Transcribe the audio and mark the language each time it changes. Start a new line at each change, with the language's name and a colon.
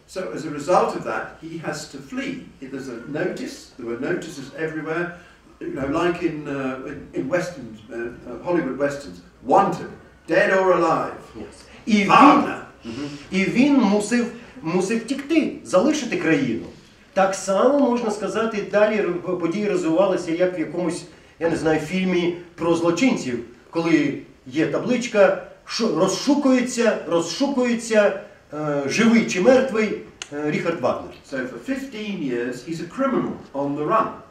English: So as a result of that, he has to flee. There's a notice, there were notices everywhere, you know, like in westerns, Hollywood westerns, wanted, dead or alive. Yes. Wagner.
Ukrainian: І він мусив втекти, залишити країну. Так само можна сказати, далі події розвивалися як в якомусь Я не знаю фільмі про злочинців, коли є табличка, що розшукується живий чи мертвий Ріхард Вагнер.
English: So for 15 years he's a criminal on the run.